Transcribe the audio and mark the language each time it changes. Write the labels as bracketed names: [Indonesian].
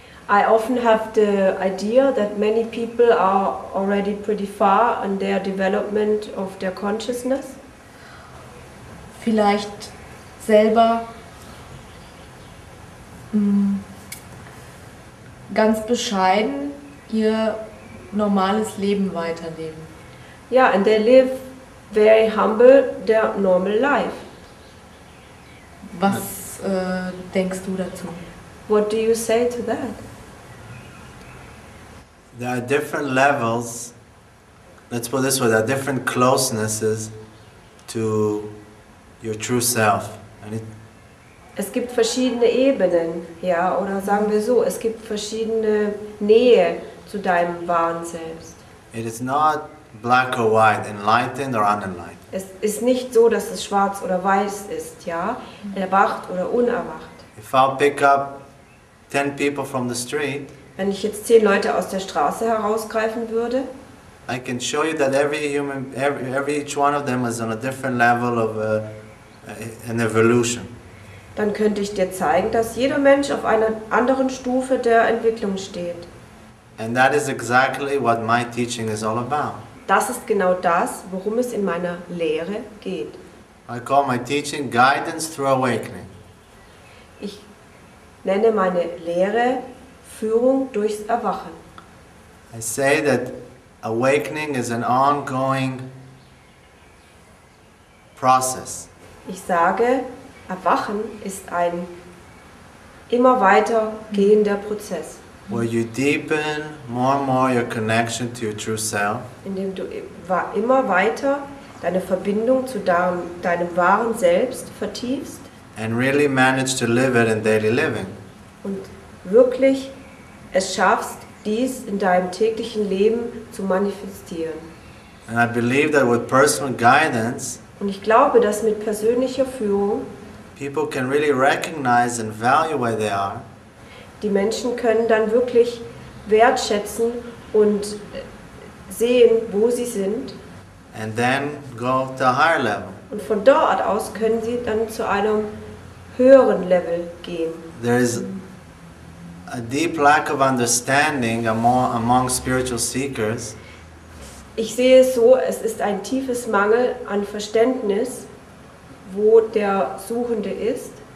[English] I often have the idea that many people are already pretty far in their development of their consciousness. [German] Vielleicht selber ganz bescheiden ihr normales Leben weiterleben. [English] Yeah, and they live very humble their normal life. [German] Was denkst du dazu? [English] What do you say to that? There are different levels, let's put it this way, there are different closenesses to your true self. And it, [German] es gibt verschiedene Ebenen, ja, oder sagen wir so, es gibt verschiedene Nähe zu deinem wahren Selbst. [English] It is not black or white, enlightened or unenlightened. [German] Es ist nicht so, dass es schwarz oder weiß ist, ja, erwacht oder unerwacht. [English] If I pick up 10 people from the street, [German] wenn ich jetzt 10 Leute aus der Straße herausgreifen würde, [English] I can show you that each one of them is on a different level of an evolution. [German] Dann könnte ich dir zeigen, dass jeder Mensch auf einer anderen Stufe der Entwicklung steht. [English] And that is exactly what my teaching is all about. [German] Das ist genau das, worum es in meiner Lehre geht. [English] I call my teaching guidance through awakening. [German] Ich nenne meine Lehre Führung durchs Erwachen. [English] I say that awakening is an ongoing process. [German] Ich sage, Erwachen ist ein immer weiter gehender Prozess. [English] Where you deepen more and more your connection to your true self. [German] Indem du immer weiter deine Verbindung zu deinem wahren Selbst vertiefst. [English] And really manage to live it in daily living. [German] Und wirklich es schaffst, dies in deinem täglichen Leben zu manifestieren. [English] And I believe that with personal guidance, [German] und ich glaube, dass mit persönlicher Führung [English] people can really recognize and value where they are. [German] Die Menschen können dann wirklich wertschätzen und sehen, wo sie sind. [English] And then go to a higher level. [German] Und von dort aus können sie dann zu einem höheren Level gehen. [English] There is a deep lack of understanding among spiritual seekers. [German] Ich sehe es so, es ist ein tiefes Mangel an Verständnis, wo der Suchende ist.